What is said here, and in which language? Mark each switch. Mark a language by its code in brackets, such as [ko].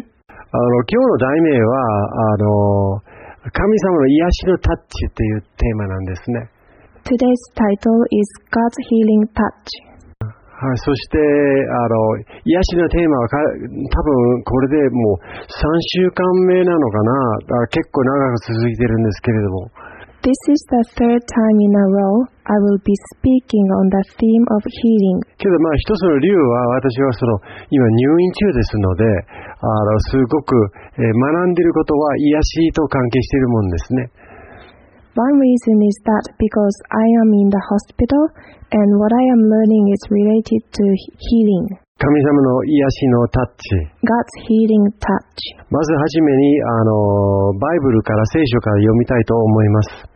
[ja] 今日の題名は神様の癒しのタッチというテーマなんですね。 [en] Today's title is God's healing touch。 [ja] はい、そして癒しのテーマは多分これでもう3週間目なのかな。だから結構長く続いてるんですけれども。 [en] This is the third time in a row I will be speaking on the theme of healing. [ja] けどまあ一つの理由は私はその今入院中ですのですごく学んでいることは癒しと関係しているもんですね。 [en] One reason is that because I am in the hospital and what I am learning is related to healing. [ja] 神様の癒しのタッチ。 [en] God's healing touch. [ja] まずはじめにバイブルから聖書から読みたいと思います。